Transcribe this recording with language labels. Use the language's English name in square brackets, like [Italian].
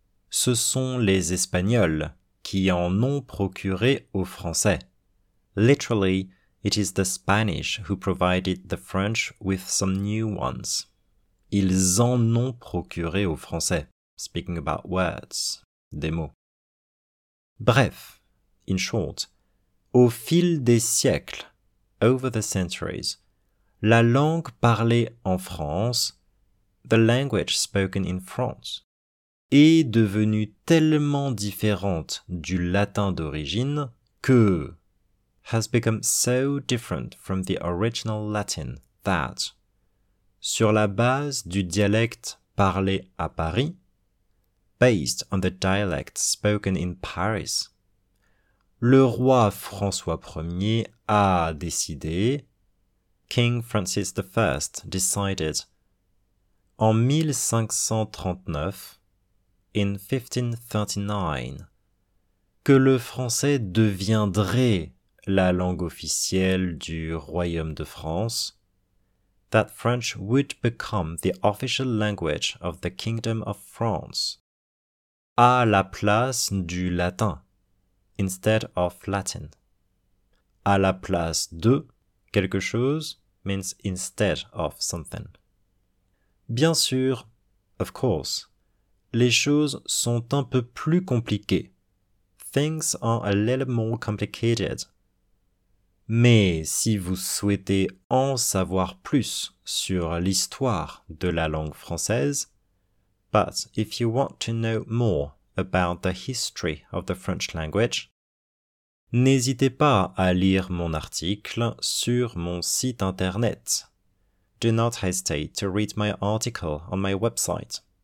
[French] ce sont les Espagnols qui en ont procuré aux Français. [English] Literally, it is the Spanish who provided the French with some new ones. [French] Ils en ont procuré aux Français. [English] Speaking about words, [French] des mots. Bref, [English] in short, [French] au fil des siècles, [English] over the centuries, [French] la langue parlée en France, [English] the language spoken in France, [French] est devenue tellement différente du latin d'origine que [English] has become so different from the original Latin that [French] sur la base du dialecte parlé à Paris, [English] based on the dialect spoken in Paris, [French] le roi François Ier a décidé, [English] King Francis I decided, [French] en 1539, [English] in 1539, [French] que le français deviendrait la langue officielle du Royaume de France, [English] that French would become the official language of the Kingdom of France, [French] à la place du latin, [English] instead of Latin. [French] À la place de quelque chose [English] means instead of something. [French] Bien sûr, [English] of course, [French] les choses sont un peu plus compliquées. [English] Things are a little more complicated. [French] Mais si vous souhaitez en savoir plus sur l'histoire de la langue française, [English] but if you want to know more about the history of the French language, [French] n'hésitez pas à lire mon article sur mon site internet. [English] Do not hesitate to read my article on my website